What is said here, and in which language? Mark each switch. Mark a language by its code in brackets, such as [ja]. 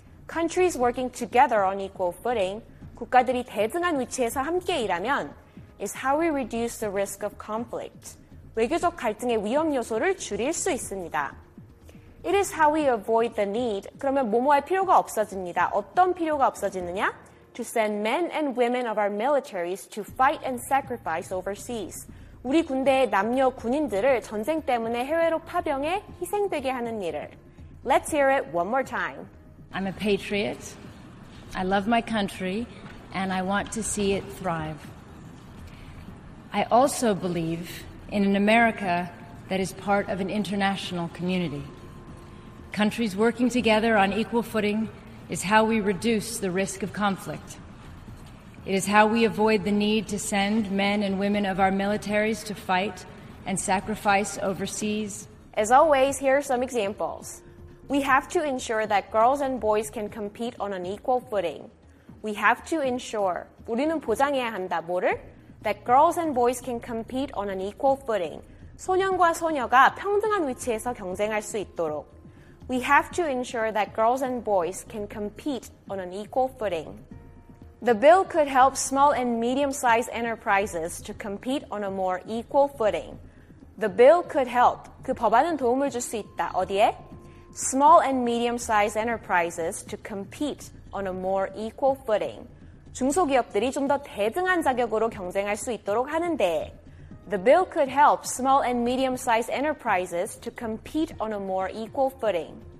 [en] Countries working together on equal footing, [ko] 국가들이 대등한 위치에서 함께 일하면 [en] is how we reduce the risk of conflict, [ko] 외교적 갈등의 위험 요소를 줄일 수 있습니다. [en] It is how we avoid the need, [ko] 그러면 뭐뭐할 필요가 없어집니다. 어떤 필요가 없어지느냐? [en] To send men and women of our militaries to fight and sacrifice overseas. [ko] 우리 군대의 남녀 군인들을 전쟁 때문에 해외로 파병해 희생되게 하는 일을. [en] Let's hear it one more time. I'm a patriot. I love my country and I want to see it thrive. I also believe in an America that is part of an international community. Countries working together on equal footing is how we reduce the risk of conflict. It is how we avoid the need to send men and women of our militaries to fight and sacrifice overseas. As always, here are some examples. We have to ensure that girls and boys can compete on an equal footing. We have to ensure, [ko] 우리는 보장해야 한다, 뭐를? [en] That girls and boys can compete on an equal footing. [ko] 소년과 소녀가 평등한 위치에서 경쟁할 수 있도록. [en] We have to ensure that girls and boys can compete on an equal footing. The bill could help small and medium-sized enterprises to compete on a more equal footing. The bill could help. [ko] 그 법안은 도움을 줄 수 있다. 어디에? [en] Small and medium-sized enterprises to compete on a more equal footing. [ko] 중소기업들이 좀 더 대등한 자격으로 경쟁할 수 있도록 하는데. [en] The bill could help small and medium-sized enterprises to compete on a more equal footing.